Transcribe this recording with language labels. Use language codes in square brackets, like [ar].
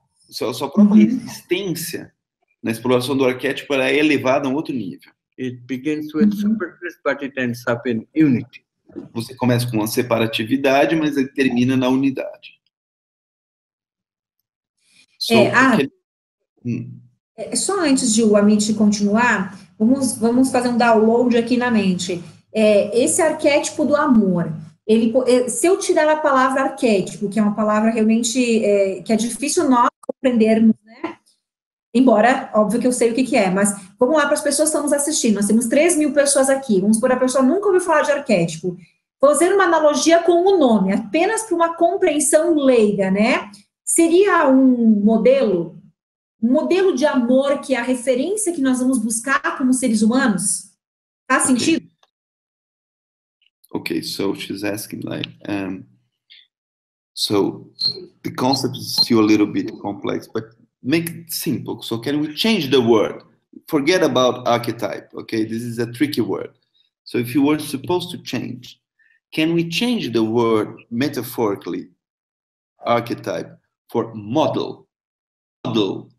[pt] Sua própria existência na exploração do arquétipo ela é elevada a um outro nível. [en] It begins with separateness, but it ends up in unity. [pt] Você começa com uma separatividade, mas ele termina na unidade. Só antes de o Amit continuar, vamos fazer um download aqui na mente. Esse arquétipo do amor, se eu tirar a palavra arquétipo, que é uma palavra realmente que é difícil nós compreendermos, né? Embora, óbvio que eu sei o que, que é, mas vamos lá para as pessoas que estamos assistindo. Nós temos 3 mil pessoas aqui. Vamos supor, a pessoa nunca ouviu falar de arquétipo. Vou fazer uma analogia com o nome, apenas para uma compreensão leiga, né? Seria um modelo... modelo de amor que é a referência que nós vamos buscar como seres humanos? Faz sentido? [en] Okay, so she's asking like, so the concept is still a little bit complex, but make it simple. So can we change the word? Forget about archetype, okay? This is a tricky word. So if you were supposed to change, can we change the word metaphorically, archetype, for model? Model.